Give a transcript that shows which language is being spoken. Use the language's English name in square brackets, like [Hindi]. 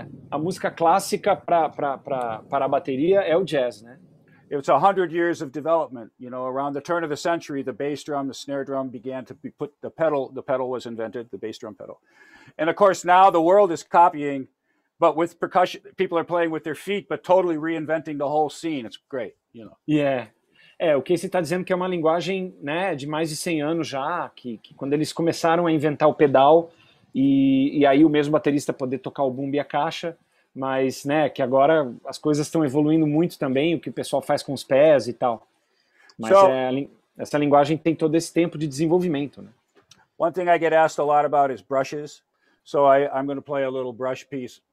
[Portuguese] A música clássica para a bateria é o jazz, né? [English] It's 100 years of development. You know, around the turn of the century, the bass drum, the snare drum began to be put. The pedal was invented, the bass drum pedal. And of course, now the world is copying. But with percussion, people are playing with their feet, but totally reinventing the whole scene. It's great, you know. Yeah. [Portuguese] O que você está dizendo que é uma linguagem, né, de mais de 100 anos já, que quando eles começaram a inventar o pedal, e aí o mesmo baterista poder tocar o bumbo e a caixa, mas, né, que agora as coisas estão evoluindo muito também, o que o pessoal faz com os pés e tal. Mas so, essa linguagem tem todo esse tempo de desenvolvimento, né? [English] One thing I get asked a lot about is brushes. So I'm going to play a little brush piece.